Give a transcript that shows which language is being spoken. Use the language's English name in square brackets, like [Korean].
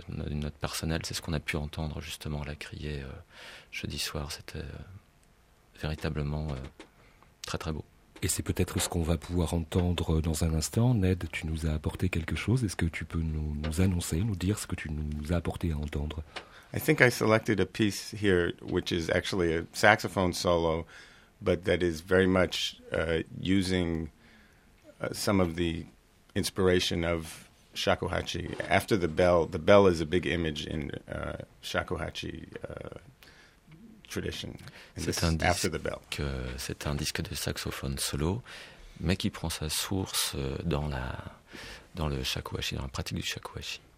[French] Une note personnelle, c'est ce qu'on a pu entendre justement à la criée jeudi soir. C'était véritablement très très beau. Et c'est peut-être ce qu'on va pouvoir entendre dans un instant. Ned, tu nous as apporté quelque chose. Est-ce que tu peux nous annoncer, nous dire ce que tu nous as apporté à entendre? [English] I think I selected a piece here which is actually a saxophone solo, but that is very much using some of the inspiration of shakuhachi. After the bell is a big image in shakuhachi tradition. [French] C'est un disque de saxophone solo, mais qui prend sa source dans le shakuhachi, dans la pratique du shakuhachi.